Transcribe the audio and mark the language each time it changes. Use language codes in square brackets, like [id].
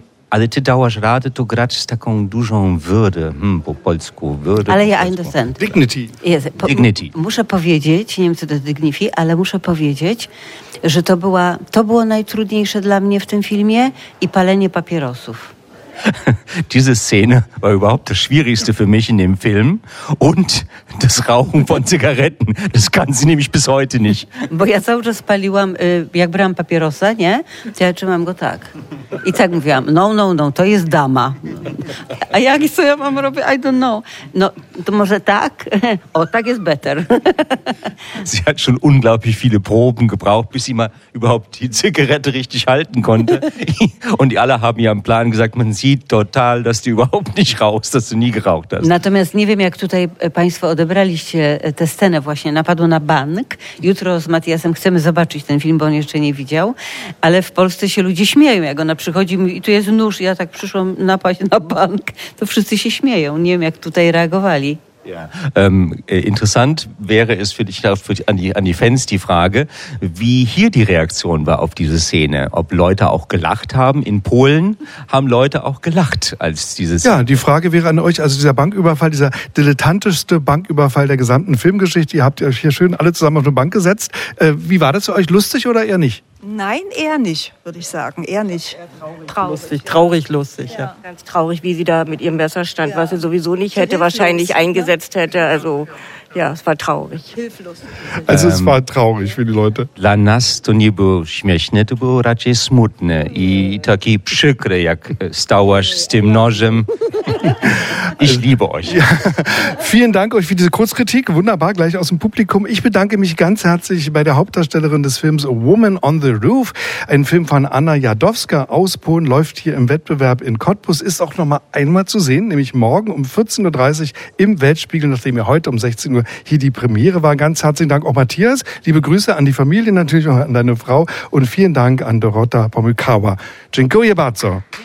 [pl] Ale ty dałaś radę to grać z taką dużą würde, po polsku. [de] Würde, [pl] ale po ja polsku. [en] Understand. Dignity. Yes, dignity. [pl] Muszę powiedzieć, nie wiem co to jest dignity, ale muszę powiedzieć, że to było najtrudniejsze dla mnie w tym filmie i palenie papierosów. [de] Diese Szene war überhaupt das Schwierigste für mich in dem Film und das Rauchen von Zigaretten. Das kann sie nämlich bis heute nicht. [pl] Bo ja cały czas paliłam, jak brałam papierosa, nie? To ja trzymam go tak. I tak mówiłam, no, to jest dama. A jak i co ja mam robić? [en] I don't know. [pl] No, to może tak? O, tak jest better. [de] Sie hat schon unglaublich viele Proben gebraucht, bis sie mal überhaupt die Zigarette richtig halten konnte. Und die alle haben ja im Plan gesagt, man sieht total, dass du überhaupt nicht rauchst, dass du nie geraucht hast. [pl] Natomiast nie wiem, jak tutaj państwo odebraliście tę scenę właśnie, napadło na bank. Jutro z Matiasem chcemy zobaczyć ten film, bo on jeszcze nie widział, ale w Polsce się ludzie śmieją, jak ona przychodzi i tu jest nóż, ja tak przyszłam napaść na bank, to wszyscy się śmieją. Nie wiem, jak tutaj reagowali. [de] Interessant wäre es für dich, an die Fans die Frage, wie hier die Reaktion war auf diese Szene. Ob Leute auch gelacht haben. In Polen haben Leute auch gelacht als diese Szene. Ja, die Frage wäre an euch, also dieser Banküberfall, dieser dilettantischste Banküberfall der gesamten Filmgeschichte. Ihr habt euch hier schön alle zusammen auf eine Bank gesetzt. Wie war das für euch? Lustig oder eher nicht? Nein, eher nicht, würde ich sagen. Eher nicht. Traurig, lustig. Ganz traurig, wie sie da mit ihrem Messer stand, was sie sowieso nicht hätte, wahrscheinlich eingesetzt hätte. Also, ja, es war traurig. Hilflos. Also, es war traurig für die Leute. [pl] Dla nas to nie było śmieszne, to było raczej smutne. I taki przykre, jak stałaś z tym nożem. [de] Ich liebe euch. Ja. Vielen Dank euch für diese Kurzkritik. Wunderbar, gleich aus dem Publikum. Ich bedanke mich ganz herzlich bei der Hauptdarstellerin des Films A Woman on the Roof. Ein Film von Anna Jadowska aus Polen, läuft hier im Wettbewerb in Cottbus. Ist auch noch mal einmal zu sehen, nämlich morgen um 14.30 Uhr im Weltspiegel, nachdem ihr heute um 16 Uhr hier die Premiere war. Ganz herzlichen Dank auch Matthias. Liebe Grüße an die Familie, natürlich auch an deine Frau. Und vielen Dank an Dorota Pomykała. [pl] Dziękuję bardzo.